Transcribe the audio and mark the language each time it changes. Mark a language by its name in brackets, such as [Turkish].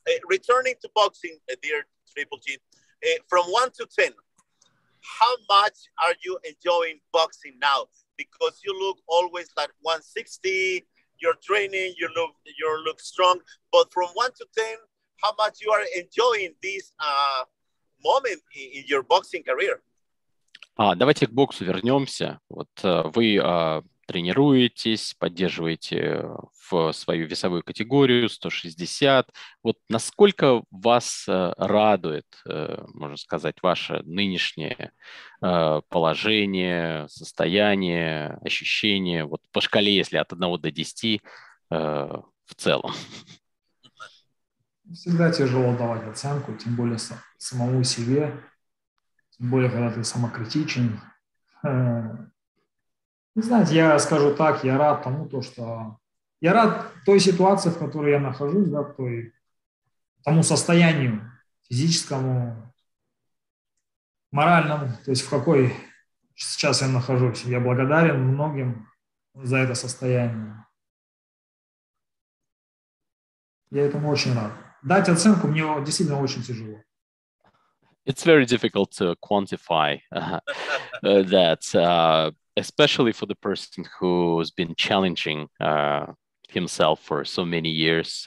[English] Returning to boxing, dear Triple G, from 1 to 10, how much are you enjoying boxing now? Because you look always like 160. You're training. You look strong. But from 1 to 10. How much you are enjoying this moment in your boxing career? [Russian] Давайте к боксу вернемся. Вот вы тренируетесь, поддерживаете в свою весовую категорию 160. Вот насколько вас радует, можно сказать, ваше нынешнее положение, состояние, ощущение, вот по шкале, если от 1 до 10 в целом? Всегда тяжело давать оценку, тем более самому себе, тем более, когда ты самокритичен. Не знаю, я скажу так, я рад тому, что я рад той ситуации, в которой я нахожусь, да, тому состоянию физическому, моральному, то есть в какой сейчас я нахожусь. Я благодарен многим за это состояние. Я этому очень рад. Дать оценку мне действительно очень тяжело. [English] It's very difficult to quantify that, especially for the person who's been challenging himself for so many years.